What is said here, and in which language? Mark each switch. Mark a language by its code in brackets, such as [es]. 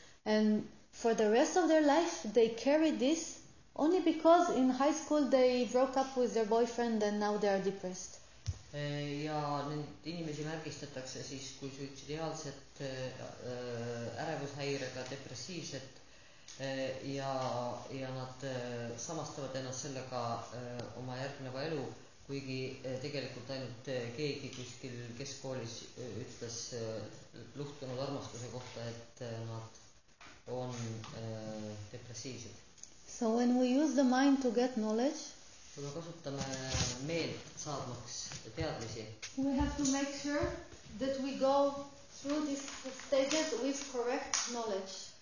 [en] And for the rest of their life, they carry this only because in high school they broke up with their boyfriend and now they are depressed. [et] Ja nüüd inimesi märgistatakse siis kui suitsidiaalset ärevushäirega depressiivset ja nad samastavad ennast sellega oma järgneva elu, kuigi tegelikult ainult keegi kuskil keskkoolis ütles luhtunud armastuse kohta, et nad on depressiivsed. [en] So when we use the mind to get knowledge, [et] kui me kasutame meelt saadmaks teadmisi, [en] we have to make sure that we go through these stages with correct knowledge.